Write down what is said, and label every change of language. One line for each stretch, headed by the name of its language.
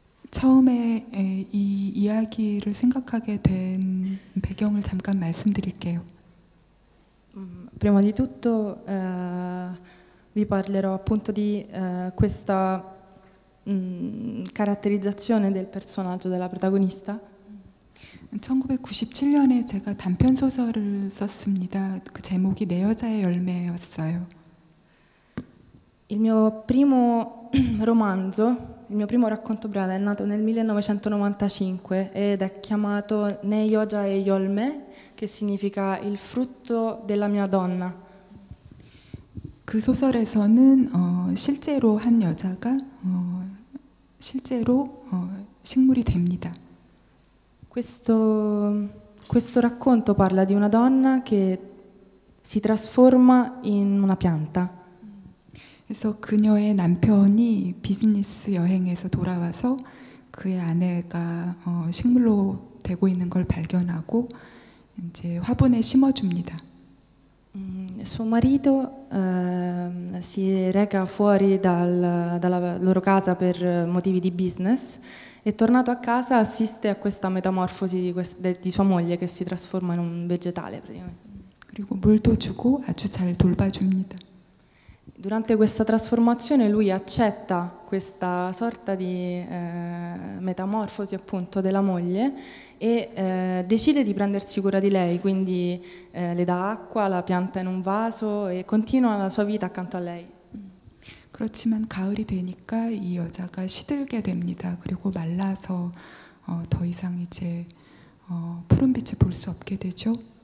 Italian: Come
Korean: 이 이야기를 생각하게 된 배경을 잠깐 말씀드릴게요.
Italian: Prima di tutto vi parlerò appunto di questa caratterizzazione del personaggio della protagonista.
Korean: 1997년에 제가 단편 소설을 썼습니다. 그 제목이 내 여자의 열매였어요.
Italian: Il mio primo romanzo, il mio primo racconto breve è nato nel 1995 ed è chiamato Ne Yoja e Yolme, che significa il frutto della mia donna.
Korean: 그 소설에서는 실제로 한 여자가 실제로 식물이 됩니다.
Italian: Questo racconto parla di una donna che si trasforma in una pianta.
Korean: 그래서 그녀의 남편이 비즈니스 여행에서 돌아와서 그의 아내가 식물로 되고 있는 걸 발견하고 이제 화분에 심어 줍니다.
Italian: Suo marito si reca fuori dalla loro casa per motivi di business e tornato a casa assiste a questa metamorfosi di sua moglie che si trasforma in un vegetale praticamente.
Korean: 그리고 물도 주고 아주 잘 돌봐줍니다.
Italian: Durante questa trasformazione lui accetta questa sorta di metamorfosi appunto della moglie e decide di prendersi cura di lei, quindi le dà acqua, la pianta in un vaso e continua la sua vita accanto a lei.
Korean: 그렇지만 가을이 되니까 이 여자가 시들게 됩니다. 그리고 말라서 더 이상 이제 푸른 빛을 볼 수 없게 되죠.